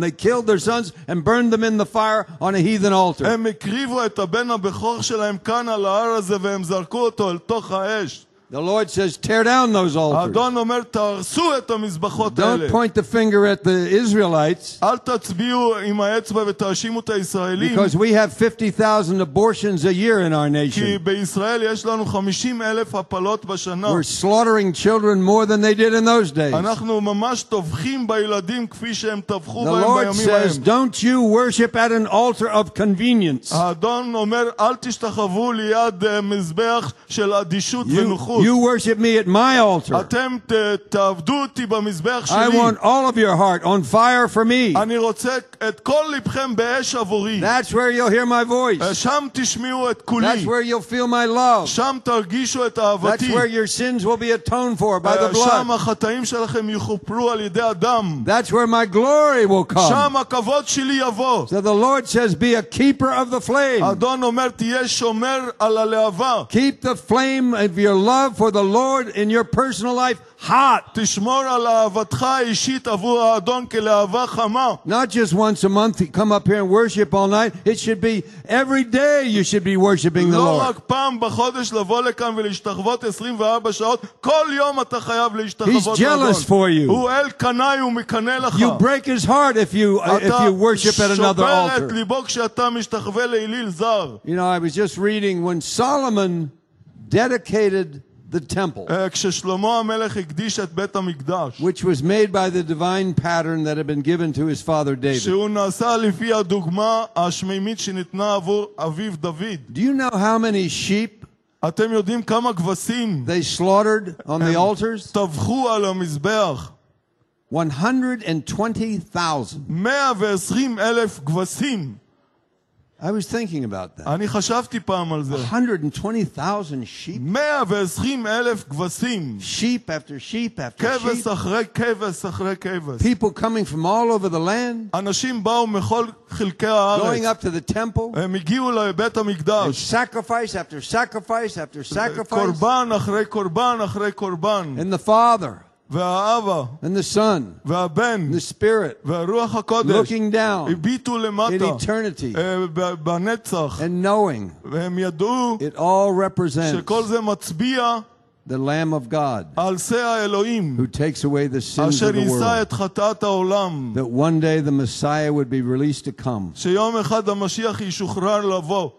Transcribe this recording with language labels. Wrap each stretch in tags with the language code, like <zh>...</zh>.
<en>They killed their sons and burned them in the fire on a heathen altar.</en> <he>הם הקריבו את הבן הבכור שלהם כאן על ההר הזה והם זרקו אותו אל תוך האש.</he> <en>The Lord says, tear down those altars.</en> <he>אדון אומר, תהרסו את המזבחות האלה.</he> <en>Don't point the finger at the Israelites.</en> <he>אל תצביעו עם האצבע ותאשימו את הישראלים.</he> <en>Because we have 50,000 abortions a year in our nation.</en> <he>כי בישראל יש לנו 50,000 הפלות בשנה.</he> <en>We're slaughtering children more than they did in those days.</en> <he>אנחנו ממש טובחים בילדים כפי שהם טבחו בהם בימים ההם.</he> <en>The Lord says, don't you worship at an altar of convenience.</en> <he>אדון אומר, אל תשתחוו ליד מזבח של אדישות ונוחות.</he> <en>You worship me at my altar.</en> <he>אתם תעבדו אותי במזבח שלי.</he> <en>I want all of your heart on fire for me.</en> <he>אני רוצה את כל לבכם באש עבורי.</he> <en>That's where you'll hear my voice.</en> <he>שם תשמעו את קולי.</he> <en>That's where you'll feel my love.</en> <he>שם תרגישו את אהבתי.</he> <en>That's where your sins will be atoned for by the blood.</en> <he>שם החטאים שלכם יכופרו על ידי הדם.</he> <en>That's where my glory will come.</en> <he>שם הכבוד שלי יבוא.</he> <en>So the Lord says, be a keeper of the flame.</en> <he>אדון אומר, תהיה שומר על הלהבה.</he> <en>Keep the flame of your love for the Lord in your personal life hot.</en> <he>תשמור על אהבתך האישית עבור האדון כלאהבה חמה.</he> <en>Not just once a month you come up here and worship all night. It should be every day you should be worshiping the Lord.</en> <he>לא רק פעם בחודש לבוא לכאן ולהשתחוות 24 שעות. כל יום אתה חייב להשתחוות לאדון.</he> <en>He's jealous for you.</en> <he>הוא אל קנאי, הוא מקנא לך.</he> <en>You break his heart if you worship at another altar.</en> <he>אתה שובר את ליבו כשאתה משתחווה לאליל זר.</he> <en>You know, I was just reading when Solomon dedicated the temple,</en> <he>כששלמה המלך הקדיש את בית המקדש,</he> <en>which was made by the divine pattern that had been given to his father David,</en> <he>שהוא נעשה לפי הדוגמה השמימית שניתנה עבור אביו דוד.</he> <en>Do you know how many sheep,</en> <he>אתם יודעים כמה כבשים,</he> <en>they slaughtered on the altars?</en> <he>טבחו על המזבח.</he> <en>120,000.</en> <he>120,000 כבשים.</he> <en>I was thinking about that.</en> <he>אני חשבתי פעם על זה.</he> <en>120,000 sheep.</en> <he>120,000 כבשים.</he> <en>Sheep after sheep after sheep.</en> <he>כבש אחרי כבש אחרי כבש.</he> <en>People coming from all over the land.</en> <he>אנשים באו מכל חלקי הארץ.</he> <en>Going up to the temple.</en> <he>הם הגיעו לבית המקדש.</he> <en>Sacrifice after sacrifice after sacrifice.</en> <he>קורבן אחרי קורבן אחרי קורבן.</he> <en>And the Father.</en> <he>והאבא.</he> <en>And the Son.</en> <he>והבן.</he> <en>The Spirit.</en> <he>והרוח הקודש.</he> <en>Looking down.</en> <he>הביטו למטה.</he> <en>In eternity.</en> <he>בנצח.</he> <en>And knowing.</en> <he>והם ידעו.</he> <en>It all represents.</en> <he>שכל זה מצביע.</he> <en>The Lamb of God.</en> <he>על שה האלוהים.</he> <en>Who takes away the sins of the world.</en> <he>אשר יישא את חטאת העולם.</he> <en>That one day the Messiah would be released to come.</en> <he>שיום אחד המשיח ישוחרר לבוא.</he>